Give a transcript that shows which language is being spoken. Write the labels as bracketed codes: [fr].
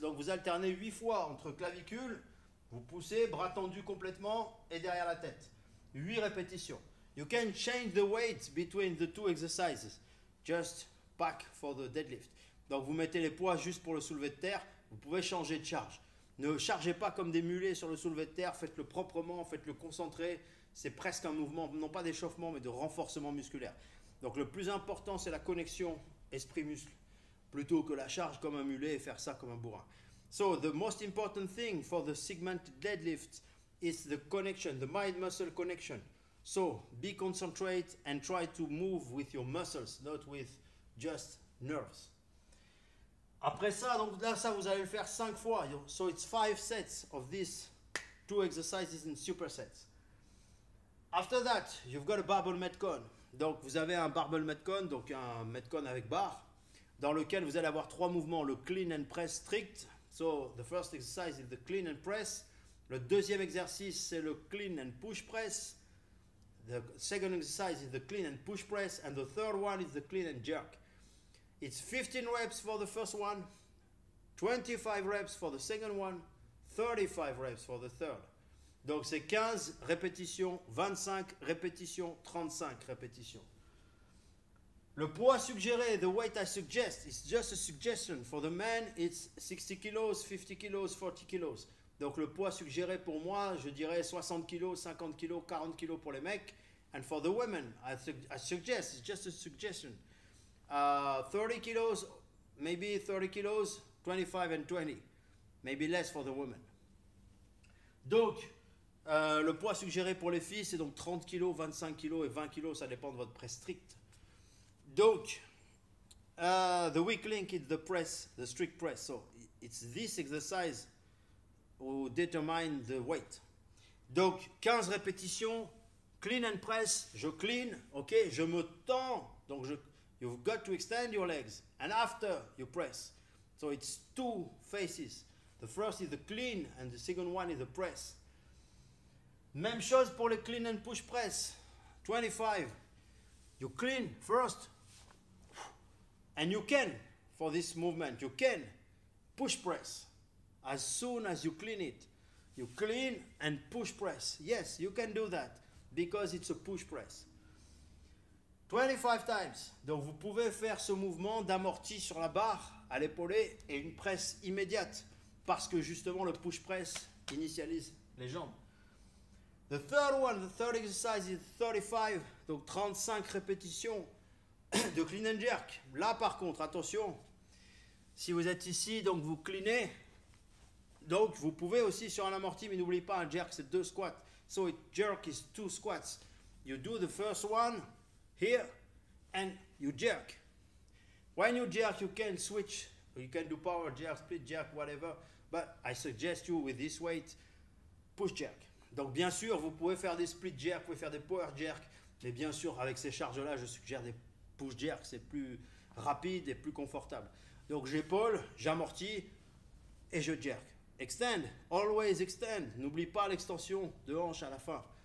[fr] Donc vous alternez 8 fois entre clavicule, vous poussez, bras tendus complètement et derrière la tête. 8 répétitions. [en] You can change the weight between the two exercises. Just back for the deadlift. [fr] Donc vous mettez les poids juste pour le soulevé de terre. Vous pouvez changer de charge. Ne chargez pas comme des mulets sur le soulevé de terre, faites-le proprement, faites-le concentré. C'est presque un mouvement, non pas d'échauffement, mais de renforcement musculaire. Donc le plus important, c'est la connexion esprit-muscle, plutôt que la charge comme un mulet et faire ça comme un bourrin. [en] So, the most important thing for the segmented deadlift is the connection, the mind-muscle connection. So, be concentrate and try to move with your muscles, not with just nerves. [fr] Après ça, donc là, ça, vous allez le faire 5 fois. [en] So it's 5 sets of these 2 exercises in supersets. After that, you've got a barbell Metcon. [fr] Donc, vous avez un barbell Metcon, donc un Metcon avec barre, dans lequel vous allez avoir 3 mouvements. Le clean and press strict. [en] So the first exercise is the clean and press. [fr] Le deuxième exercice, c'est le clean and push press. [en] The second exercise is the clean and push press. And the third one is the clean and jerk. It's 15 reps for the first one, 25 reps for the second one, 35 reps for the third. [fr] Donc c'est 15 répétitions, 25 répétitions, 35 répétitions. Le poids suggéré, [en] the weight I suggest, it's just a suggestion. For the men, it's 60 kilos, 50 kilos, 40 kilos. [fr] Donc le poids suggéré pour moi, je dirais 60 kilos, 50 kilos, 40 kilos pour les mecs. [en] And for the women, I suggest, it's just a suggestion. 30 kilos, maybe 30 kilos, 25 and 20, maybe less for the woman. [fr] Donc, le poids suggéré pour les filles, c'est donc 30 kilos, 25 kilos et 20 kilos, ça dépend de votre press strict. Donc, [en] the weak link is the press, the strict press. So, it's this exercise ou determine the weight. [fr] Donc 15 répétitions, clean and press, je clean, ok, je me tends, donc je, [en] you've got to extend your legs, and after you press. So it's two phases. The first is the clean and the second one is the press. [fr] Même chose pour le clean and push press. [en] 25. You clean first. And you can, for this movement, you can push press. As soon as you clean it, you clean and push press. Yes, you can do that because it's a push press. 25 times. [fr] Donc vous pouvez faire ce mouvement d'amorti sur la barre à l'épaulée et une presse immédiate parce que justement le push press initialise les jambes. [en] The third one, the third exercise is 35, [fr] donc 35 répétitions de clean and jerk. Là par contre, attention, si vous êtes ici, donc vous cleanez, donc vous pouvez aussi sur un amorti, mais n'oubliez pas, un jerk c'est deux squats. [en] So a jerk is two squats. You do the first one here and you jerk. When you jerk, you can switch, you can do power jerk, split jerk, whatever, but I suggest you with this weight, push jerk. [fr] Donc bien sûr, vous pouvez faire des split jerks, vous pouvez faire des power jerks, mais bien sûr, avec ces charges-là, je suggère des push jerks, c'est plus rapide et plus confortable. Donc j'épaule, j'amortis et je jerk. [en] Extend, always extend, [fr] n'oublie pas l'extension de hanche à la fin.